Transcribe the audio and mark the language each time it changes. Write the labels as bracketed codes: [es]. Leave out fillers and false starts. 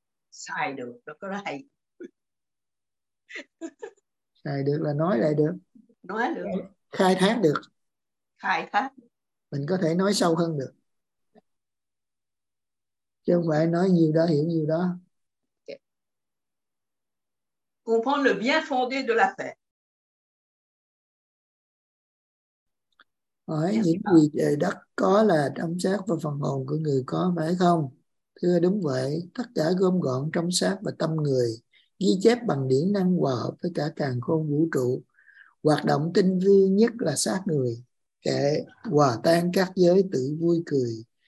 [vi] Xài được, nó có hay. Xài được là nói lại được. Nói được. Khai thác được. Khai thác. Mình có thể nói sâu hơn được. Chứ không phải nói nhiều đó, hiểu nhiều đó. [fr] Comprendre le bien fondé de la paix. [vi] Hỏi những gì trời đất có là trong xác và phần hồn của người có, phải không? Thưa đúng vậy, tất cả gom gọn trong xác và tâm người, ghi chép bằng điển năng hòa hợp với cả càn khôn vũ trụ, hoạt động tinh vi nhất là xác người, kể hòa tan các giới tự vui cười.